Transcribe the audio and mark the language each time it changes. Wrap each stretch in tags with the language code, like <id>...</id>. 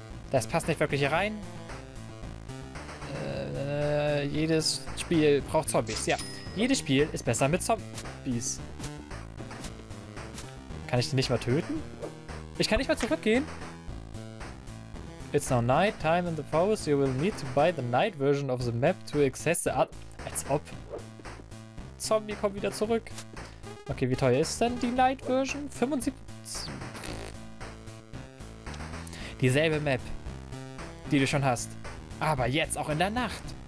<de>Das passt nicht wirklich hier rein. Jedes Spiel braucht Zombies. Ja. Jedes Spiel ist besser mit Zombies. Kann ich die nicht mal töten? Ich kann nicht mal zurückgehen.</de> <en>It's now night time in the forest. You will need to buy the night version of the map to access the...</en> <de>Als ob. Zombie kommt wieder zurück. Okay, wie teuer ist denn die night version? 75... Dieselbe Map, die du schon hast. Aber jetzt auch in der Nacht.</de>